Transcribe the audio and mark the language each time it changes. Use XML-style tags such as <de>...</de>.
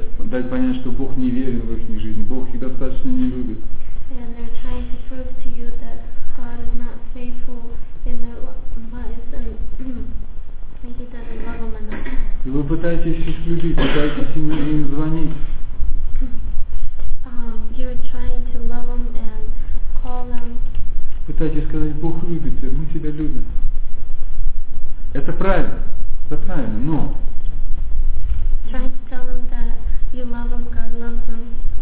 <ru>дать понять, что Бог не верен в их жизни, Бог их достаточно не любит.</ru> <en>And they're trying to prove to you that God is not faithful in their lives and he doesn't love them enough.</en> <ru>И вы пытаетесь их любить, пытаетесь им звонить.</ru> <en>You're trying to love them and call them.</en> <ru>Пытаетесь сказать, Бог любит тебя, мы тебя любим. Это правильно. Это правильно, но.</ru> <en>Trying to tell them that you love them, God loves them.</en>